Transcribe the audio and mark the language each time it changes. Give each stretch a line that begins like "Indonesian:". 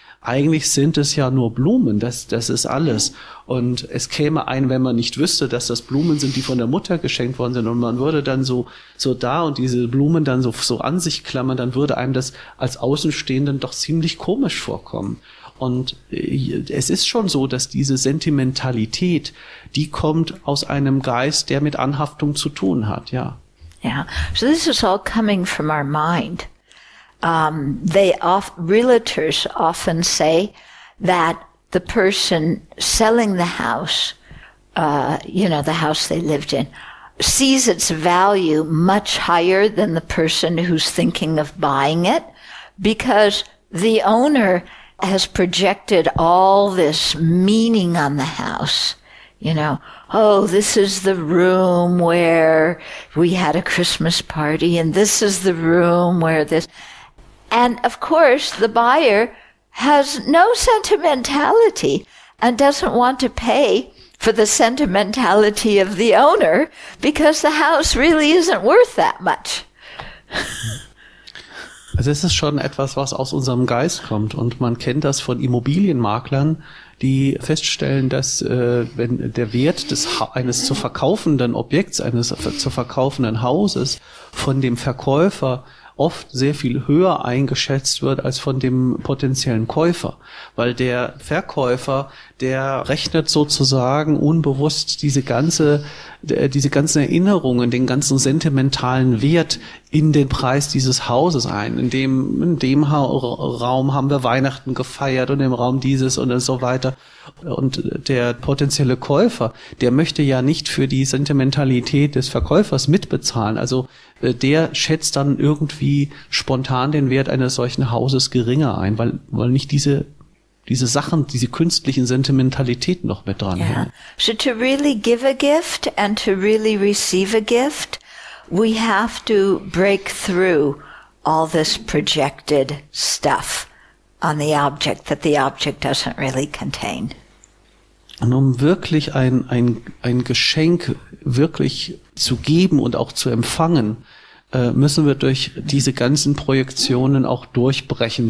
German: Eigentlich sind es ja nur Blumen, das ist alles. Und es käme ein, wenn man nicht wüsste, dass das Blumen sind, die von der Mutter geschenkt worden sind. Und man würde dann so da und diese Blumen dann so an sich klammern, dann würde einem das als Außenstehenden doch ziemlich komisch vorkommen. Und es ist schon so, dass diese Sentimentalität, die kommt aus einem Geist, der mit Anhaftung zu tun hat, ja.
English: Yeah. So this is all coming from our mind. Realtors often say that the person selling the house, you know, the house they lived in, sees its value much higher than the person who's thinking of buying it, because the owner has projected all this meaning on the house. You know, oh, this is the room where we had a Christmas party, and this is the room where this. And of course, the buyer has no sentimentality and doesn't want to pay for the sentimentality of the owner because the house really isn't worth that much.
German: Also es ist schon etwas, was aus unserem Geist kommt und man kennt das von Immobilienmaklern, die feststellen, dass wenn der Wert eines zu verkaufenden Objekts, eines zu verkaufenden Hauses von dem Verkäufer oft sehr viel höher eingeschätzt wird als von dem potenziellen Käufer. Weil der Verkäufer, der rechnet sozusagen unbewusst diese ganzen Erinnerungen, den ganzen sentimentalen Wert in den Preis dieses Hauses ein. In dem Raum haben wir Weihnachten gefeiert und im Raum dieses und so weiter. Und der potenzielle Käufer, der möchte ja nicht für die Sentimentalität des Verkäufers mitbezahlen. Also der schätzt dann irgendwie spontan den Wert eines solchen Hauses geringer ein, weil nicht diese Sachen, diese künstlichen Sentimentalitäten noch mit dran hängen.
English: So to really give a gift and to really receive a gift, we have to break through all this projected stuff on the object that the object doesn't really contain.
German: Und um wirklich ein Geschenk wirklich zu geben und auch zu empfangen, müssen wir durch diese ganzen Projektionen auch durchbrechen.